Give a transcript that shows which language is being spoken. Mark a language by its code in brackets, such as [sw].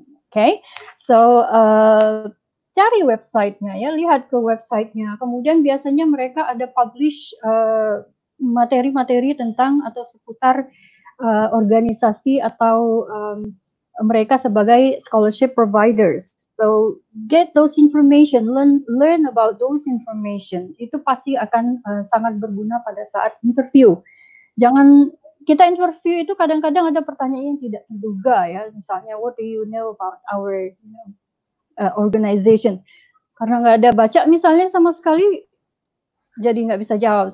[id] Okay, so cari website-nya ya, lihat ke website-nya. Kemudian biasanya mereka ada publish materi-materi tentang atau seputar organisasi atau mereka sebagai scholarship providers. [en] So get those information, learn about those information. [id] Itu pasti akan sangat berguna pada saat interview. Jangan, kita interview itu kadang-kadang ada pertanyaan yang tidak terduga ya. Misalnya, [en] what do you know about our organization? [id] Karena nggak ada baca misalnya sama sekali, jadi nggak bisa jawab.